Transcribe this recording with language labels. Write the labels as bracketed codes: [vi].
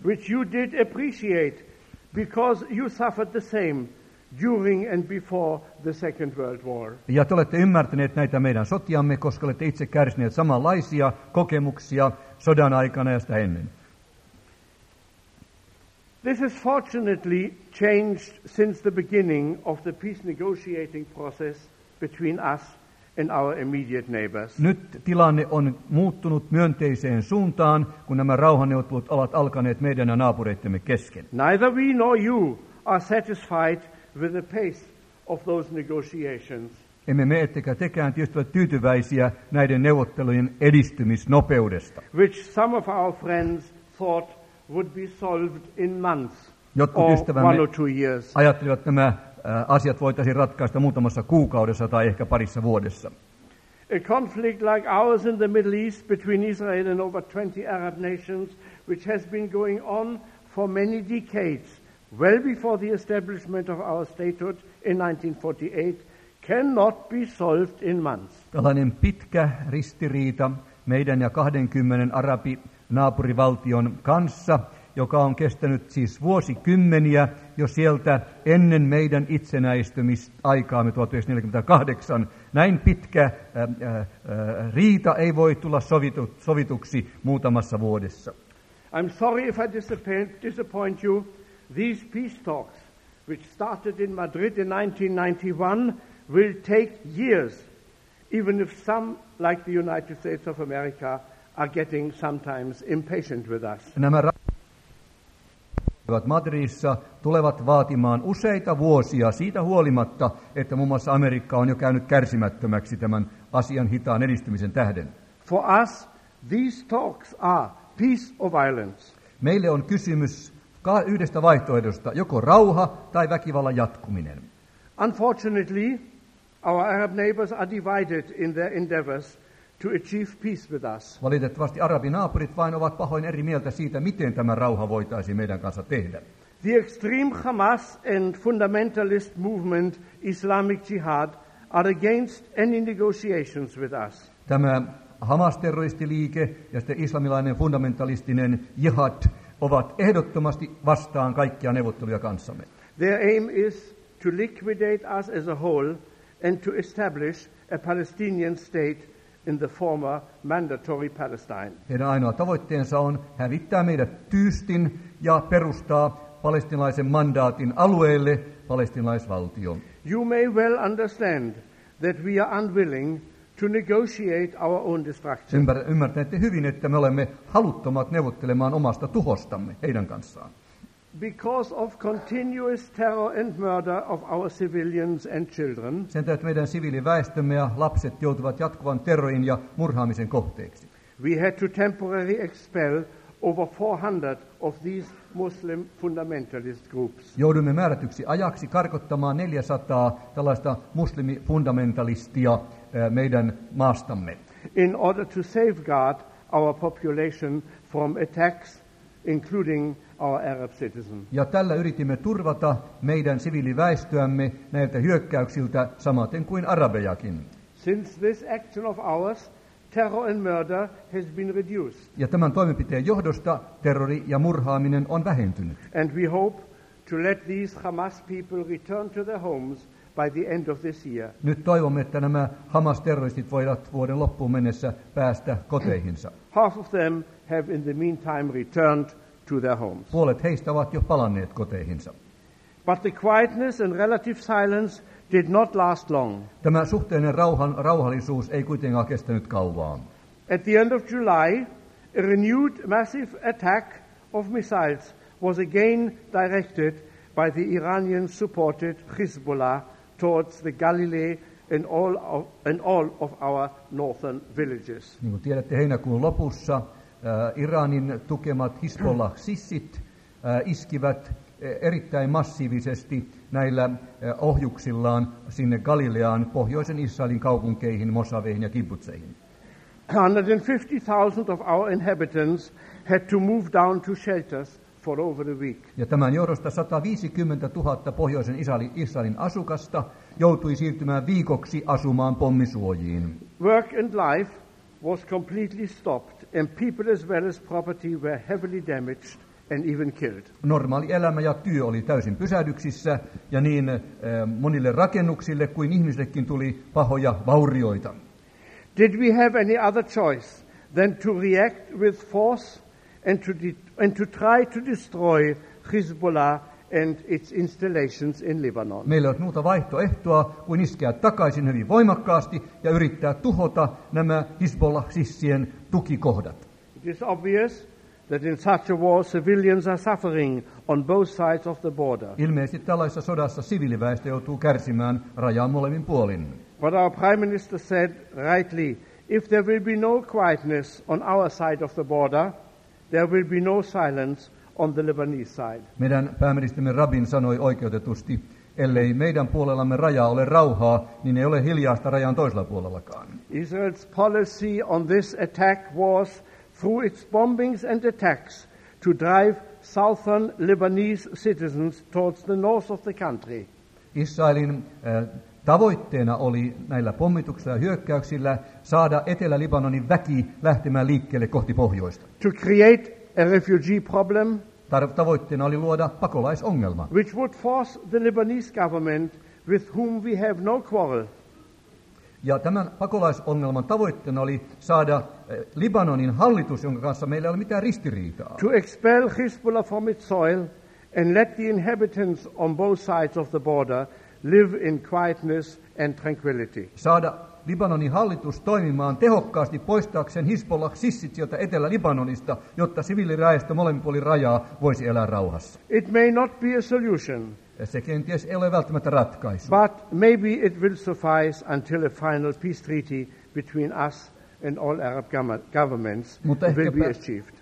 [en] Which you did appreciate because you suffered the same during and before the Second World War. [fi] Ja te olette ymmärtäneet näitä meidän sotiamme, koska olette itse kärsineet samanlaisia kokemuksia sodan aikana ja sitä ennen. [en] This has fortunately changed since the beginning of the peace negotiating process between us and our immediate neighbors. [fi] Nyt tilanne on muuttunut myönteiseen suuntaan, kun nämä rauhanneuvottelut ovat alkaneet meidän ja naapureittemme kesken. [en] Neither we nor you are satisfied with the pace of those negotiations. [fi] Emme me ettekä tekään tietysti ole tyytyväisiä näiden neuvottelujen edistymisnopeudesta. [en] Which some of our friends thought would be solved in months. [fi] Jotkut ystävämme [en] one or two years. [fi] Ajattelivat nämä asiat voitaisiin ratkaista muutamassa kuukaudessa tai ehkä parissa vuodessa. [en] A conflict like ours in the Middle East between Israel and over 20 Arab nations, which has been going on for many decades, well before the establishment of our statehood in 1948, cannot be solved in months. [fi] Tällainen pitkä ristiriita meidän ja 20 arabi naapurivaltion kanssa, joka on kestänyt siis vuosikymmeniä jo sieltä ennen meidän itsenäistymisaikaamme 1948. Näin pitkä riita ei voi tulla sovituksi muutamassa vuodessa. [en] I'm sorry if I disappoint you. These peace talks, which started in Madrid in 1991, will take years, even if some, like the United States of America, are getting sometimes impatient with us. [fi] Madridissa tulevat vaatimaan useita vuosia siitä huolimatta, että muun muassa Amerikka on jo käynyt kärsimättömäksi tämän asian hitaan edistymisen tähden. [en] For us, these talks are peace or violence. [fi] Meille on kysymys yhdestä vaihtoehdosta, joko rauha tai väkivallan jatkuminen. [en] Unfortunately, our Arab neighbors are divided in their endeavors to achieve peace with us. [fi] Valitettavasti arabinaapurit vain ovat pahoin eri mieltä siitä, miten tämä rauha voitaisiin meidän kanssa tehdä. [en] The extreme Hamas and fundamentalist movement Islamic Jihad are against any negotiations with us. [fi] Tämä Hamas-terroristiliike ja sitten islamilainen fundamentalistinen jihad ovat ehdottomasti vastaan kaikkia neuvotteluja kanssamme. [en] Their aim is to liquidate us as a whole and to establish a Palestinian state in the former mandatory Palestine. [fi] Heidän ainoa tavoitteensa on hävittää meidät tyystin ja perustaa palestinaisen mandaatin alueelle palestinaisvaltio. [en] You may well understand that we are unwilling to negotiate our own destruction. [fi] Ymmärrätte hyvin, että me olemme haluttomat neuvottelemaan omasta tuhostamme heidän kanssaan. [en] Because of continuous terror and murder of our civilians and children. [fi] Sen tähden, että meidän siviiliväestömme ja lapset joutuvat jatkuvan terrorin ja murhaamisen kohteeksi. [en] We had to temporarily expel over 400 of these Muslim fundamentalist groups. [fi] Joudumme määrätyksi ajaksi karkottamaan 400 tällaista muslimifundamentalistia meidän maastamme. [en] In order to safeguard our population from attacks, including our Arab citizens. [fi] Ja tällä yritimme turvata meidän siviiliväestöämme näiltä hyökkäyksiltä samaten kuin arabejakin. [en] Since this action of ours, terror and murder has been reduced. [fi] Ja tämän toimenpiteen johdosta terrori ja murhaaminen on vähentynyt. [en] And we hope to let these Hamas people return to their homes by the end of this year. [fi] Nyt toivomme, että nämä Hamas-terroristit voivat vuoden loppuun mennessä päästä koteihinsa. [en] Half of them have in the meantime returned to their homes. [fi] Puolet heistä ovat jo palanneet koteihinsa. [en] But the quietness and relative silence did not last long. [fi] Tämä suhteellinen rauhallisuus ei kuitenkaan kestänyt kauaa. [en] At the end of July, a renewed massive attack of missiles was again directed by the Iranian-supported Hezbollah towards the Galilee and all of our northern villages. [fi] Niin kuin tiedätte, heinäkuun lopussa Iranin tukemat Hezbollah-sissit iskivät erittäin massiivisesti näillä ohjuksillaan sinne Galileaan, pohjoisen Israelin kaupunkeihin, Mosaveihin ja kibbutseihin. [en] 150,000 of our inhabitants had to move down to shelters for over a week. [fi] Ja tämän johdosta 150,000 pohjoisen Israelin asukasta joutui siirtymään viikoksi asumaan pommisuojiin. [en] Work and life was completely stopped, and people as well as property were heavily damaged and even killed. [fi] Normaali elämä ja työ oli täysin pysähdyksissä, ja niin monille rakennuksille kuin ihmisillekin tuli pahoja vaurioita. [en] Did we have any other choice than to react with force and to try to destroy Hezbollah and its installations in Lebanon? [fi] Meillä on muuta vaihtoehtoa kuin iskeä takaisin hyvin voimakkaasti ja yrittää tuhota nämä Hezbollah-sissien tukikohdat. [en] It is obvious that in such a war civilians are suffering on both sides of the border. [fi] Ilmeisesti tällaisessa sodassa siviiliväestö joutuu kärsimään rajaa molemmin puolin. [en] But our prime minister said rightly, if there will be no quietness on our side of the border, there will be no silence on the Lebanese side. [fi] Meidän pääministerimme Rabin sanoi oikeutetusti, ellei meidän puolellamme rajaa ole rauhaa, niin ei ole hiljaista rajan toisella puolellakaan. [en] Israel's policy on this attack was, through its bombings and attacks, to drive southern Lebanese citizens towards the north of the country. [fi] Israelin tavoitteena oli näillä pommituksilla ja hyökkäyksillä saada Etelä-Libanonin väki lähtemään liikkeelle kohti pohjoista. [en] To create a refugee problem. [fi] Tavoitteena oli luoda pakolaisongelma, [en] which would force the Lebanese government, with whom we have no quarrel. [fi] Ja tämän pakolaisongelman tavoitteena oli saada Libanonin hallitus, jonka kanssa meillä ei ole mitään ristiriitaa. [en] To expel Hezbollah from its soil and let the inhabitants on both sides of the border live in quietness and tranquility. [fi] Saada Libanonin hallitus toimimaan tehokkaasti poistaakseen Hezbollah-sissit sieltä Etelä-Libanonista, jotta siviiliväestö molemmin puolin rajaa voisi elää rauhassa. [en] It may not be a solution. [fi] Se kenties ei ole välttämättä ratkaisu. [en] But maybe it will suffice until a final peace treaty between us and all Arab governments will be achieved.